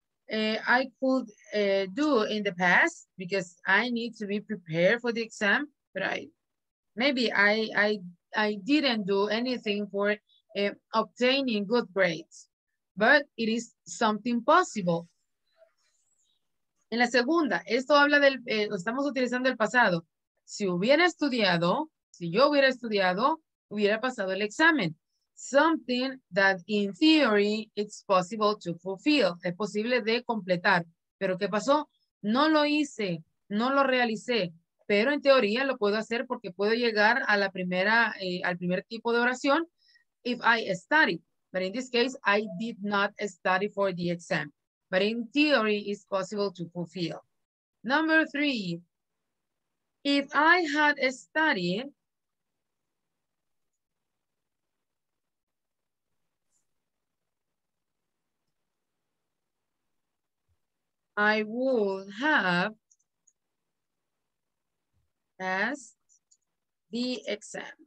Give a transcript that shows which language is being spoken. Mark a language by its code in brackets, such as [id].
[en] I could do in the past because I need to be prepared for the exam, but I didn't do anything for obtaining good grades, but it is something possible. [es] En la segunda, esto habla del, estamos utilizando el pasado. Si hubiera estudiado, si yo hubiera estudiado, hubiera pasado el examen. [en] Something that in theory it's possible to fulfill. [es] Es posible de completar. Pero ¿qué pasó? No lo hice, no lo realicé. Pero en teoría lo puedo hacer porque puedo llegar a la primera, al primer tipo de oración. [en] If I study. But in this case, I did not study for the exam. But in theory, it's possible to fulfill. Number three. If I had studied, I would have passed the exam.